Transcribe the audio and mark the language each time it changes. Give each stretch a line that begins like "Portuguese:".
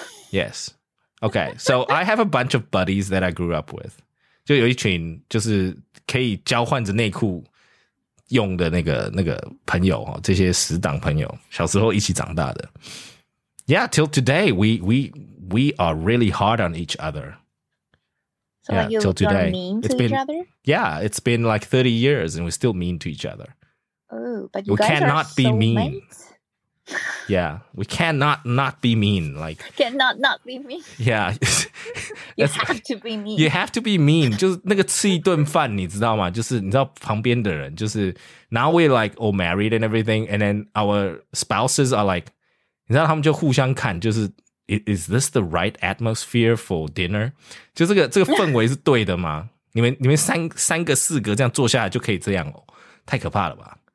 English: Yes. Okay. So I have a bunch of buddies that I grew up with.
Chinese: 就有一群就是可以交换着内裤用的那个朋友，这些死党朋友，小时候一起长大的。
English: Yeah, till today, we are really hard on each other. So yeah, like you've done mean to each other? Yeah, it's been like 30 years and we're still mean to each other. Oh, but you guys cannot be mean. Yeah, we cannot not be mean. Like, cannot not be mean. Yeah. You have to be mean.
Chinese: 就是那个吃一顿饭，你知道吗？就是你知道旁边的人，就是
English: now we're like all married and everything, and then our spouses are like,
Chinese: 你知道他们就互相看，就是
English: is this the right atmosphere for dinner?
Chinese: 就这个氛围是对的吗？你们三个四个这样坐下来就可以这样哦，太可怕了吧？